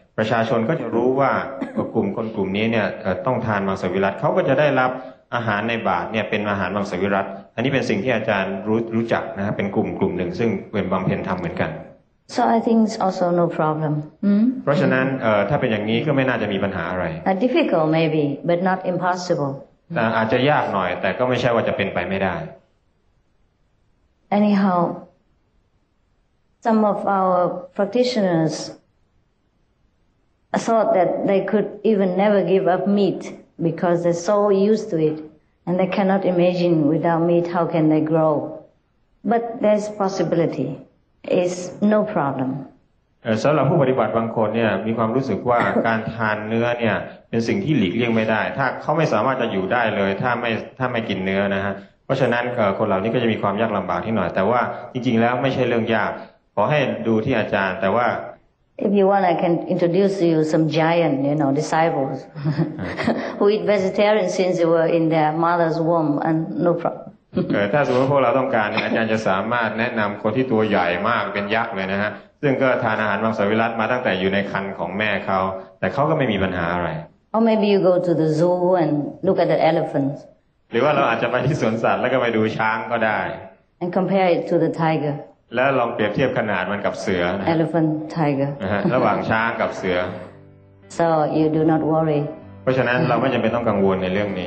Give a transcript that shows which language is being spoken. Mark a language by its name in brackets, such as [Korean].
[Thai] ประชาชนก็จะรู้ว่า กลุ่มคนกลุ่มนี้เนี่ยต้องทานมังสวิรัติเขาก็จะได้รับอาหารในบาตรเนี่ยเป็นอาหารมังสวิรัติอันนี้เป็นสิ่งที่อาจารย์รู้จักนะฮะเป็นกลุ่มหนึ่งซึ่งเป็นบำเพ็ญธรรมเหมือนกัน [English] so I think it's also no problem [Thai] เพราะฉะนั้นถ้าเป็นอย่างนี้ก็ไม่น่าจะมีปัญหาอะไร [English] difficult maybe but not impossible [Thai] แต่อาจจะยากหน่อยแต่ก็ไม่ใช่ว่าจะเป็นไปไม่ได้ [English] anyhow some of our practitionersI thought that they could even never give up meat because they're so used to it and they cannot imagine without meat how can they grow. But there's possibility. It's no problem. [Thai] สำหรับผู้ปฏิบัติบางคนเนี่ยมีความรู้สึกว่าการทานเนื้อเนี่ยเป็นสิ่งที่หลีกเลี่ยงไม่ได้ถ้าเขาไม่สามารถจะอยู่ได้เลยถ้าไม่กินเนื้อนะฮะเพราะฉะนั้นคนเหล่านี้ก็จะมีความยากลำบากที่หน่อยแต่ว่าจริงๆแล้วไม่ใช่เรื่องยากขอให้ดูที่อาจารย์แต่ว่า [English] If you want, I can introduce you some giant, you know, disciples who eat vegetarian since they were in their mother's womb, and no problem. [Thai] ถ้าสมมติพวกเราต้องการอาจารย์จะสามารถแนะนำคนที่ตัวใหญ่มากเป็นยักษ์เลยนะฮะซึ่งก็ทานอาหารมังสวิรัติมาตั้งแต่อยู่ในครรภ์ของแม่เขาแต่เขาก็ไม่มีปัญหาอะไร [English] Or maybe you go to the zoo and look at the elephants. [Thai] หรือว่าเราอาจจะไปที่สวนสัตว์แล้วก็ไปดูช้างก็ได้ [English] And compare it to the tiger. [Thai] แล้วลองเปรียบเทียบขนาดมันกับเสือน [English] ะ Elephant tiger [Thai] ระหว่างช้างกับเสือ [English] So you do not worry [Thai] เพราะฉะนั้นเราไม่จำเป็นต้องกังวลในเรื่องนี